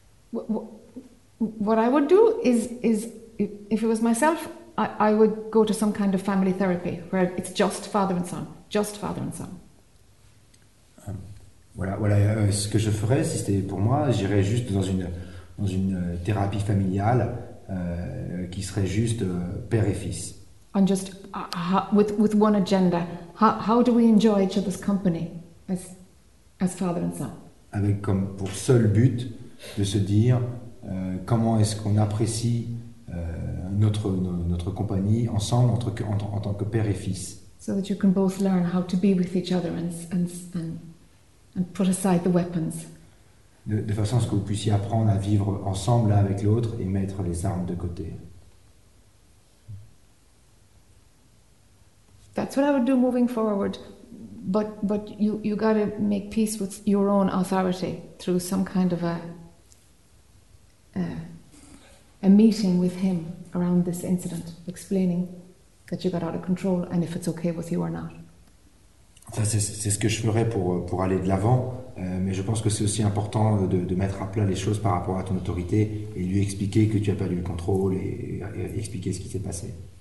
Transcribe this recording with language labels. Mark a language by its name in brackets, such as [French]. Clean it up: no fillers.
[English] What I would do is if it was myself, I would go to some kind of family therapy where it's just father and son, just father and son. [French] Voilà, ce que je ferais si c'était pour moi, j'irais juste dans une thérapie familiale qui serait juste père et fils. [English] And just with one agenda, how do we enjoy each other's company as father and son? [French] Avec comme pour seul but de se dire comment est-ce qu'on apprécie notre compagnie ensemble en tant que père et fils. [English] So that you can both learn how to be with each other and put aside the weapons. [French] De façon à ce que vous puissiez apprendre à vivre ensemble l'un avec l'autre et mettre les armes de côté. [English] That's what I would do moving forward. But you got to make peace with your own authority through some kind of a meeting with him around this incident, explaining that you got out of control and if it's okay with you or not. [French] Ça c'est ce que je ferais pour aller de l'avant, mais je pense que c'est aussi important de mettre à plat les choses par rapport à ton autorité et lui expliquer que tu as perdu le contrôle et expliquer ce qui s'est passé.